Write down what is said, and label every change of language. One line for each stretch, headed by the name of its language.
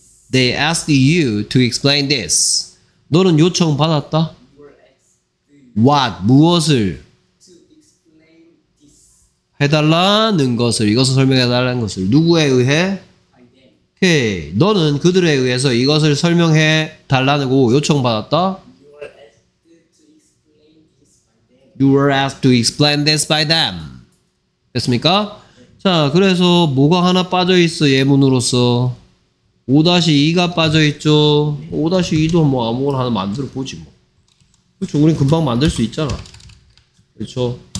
English: They asked you to explain this.
Korean: 너는 요청 받았다?
English: What?
Korean: 무엇을? 해달라는 것을, 이것을 설명해달라는 것을. 누구에 의해? 오케이. 너는 그들에 의해서 이것을 설명해달라고 요청받았다?
English: You were asked to explain this by them.
Korean: 됐습니까? 자, 그래서 뭐가 하나 빠져있어, 예문으로서. 5-2가 빠져있죠. 5-2도 뭐 아무거나 하나 만들어보지 뭐. 그렇죠. 우린 금방 만들 수 있잖아. 그렇죠.